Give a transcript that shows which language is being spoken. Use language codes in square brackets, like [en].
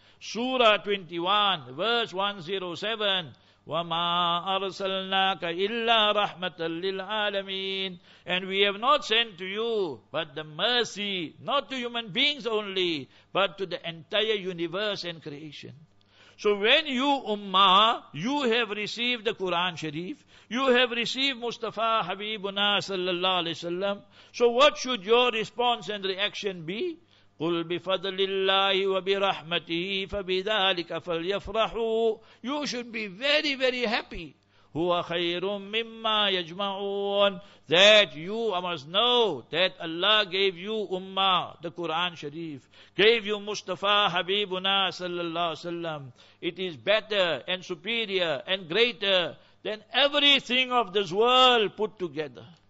[en] Surah 21, verse 107, [ar] وَمَا أَرْسَلْنَاكَ إِلَّا رَحْمَةً لِلْعَالَمِينَ. [en] And we have not sent to you but the mercy, not to human beings only, but to the entire universe and creation. So when you, Ummah, you have received the Quran Sharif, you have received Mustafa Habibuna sallallahu alayhi wa sallam, so what should your response and reaction be? [ar] قل بفضل الله وبرحمته فبذلك فليفرحوا. [en] You should be very, very happy. [ar] هو خير مما يجمعون. [en] That you must know that Allah gave you Ummah, the Quran Sharif, gave you Mustafa Habibuna sallallahu alaihi wasallam. It is better and superior and greater than everything of this world put together.